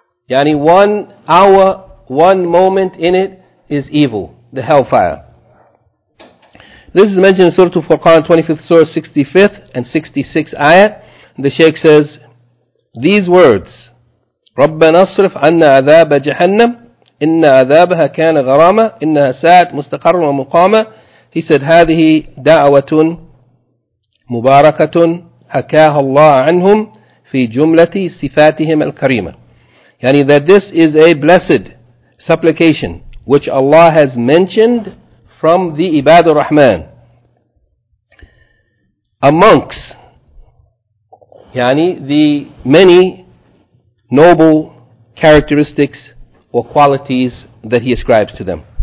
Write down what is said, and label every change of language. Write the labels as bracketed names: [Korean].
[English] Yani 1 hour, 1 moment in it is evil, the hellfire. This is mentioned in Surah Al-Furqan, 25th Surah, 65th and 66th Ayah. The Shaykh says, these words, [Arabic] رَبَّنَا اصْرِفْ عَنَّا عَذَابَ جَهَنَّمْ إِنَّ عَذَابَهَا كَانَ غَرَامَةً إِنَّهَا سَاءَتْ مُسْتَقَرًّا وَمُقَامًا. [English] He said, [Arabic] هذه دعوة مباركة حكاها الله عنهم في جملة صفاتهم الكريمة. [English] يعني that this is a blessed supplication which Allah has mentioned from the Ibad al-Rahman. Amongst, yani the many noble characteristics or qualities that he ascribes to them.